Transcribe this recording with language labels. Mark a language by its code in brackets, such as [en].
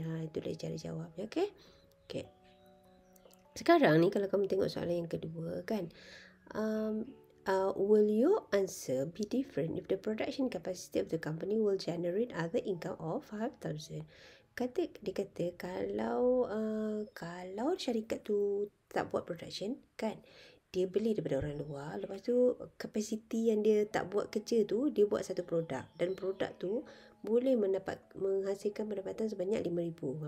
[ms] Ha, itulah cara jawabnya. Okey. Okey. Sekarang ni kalau kamu tengok soalan yang kedua kan. [en] Will your answer be different if the production capacity of the company will generate other income of 5,000? [ms] Dia kata kalau kalau syarikat tu tak buat production kan, dia beli daripada orang luar, lepas tu capacity yang dia tak buat kerja tu dia buat satu produk dan produk tu boleh mendapat menghasilkan pendapatan sebanyak 5,000.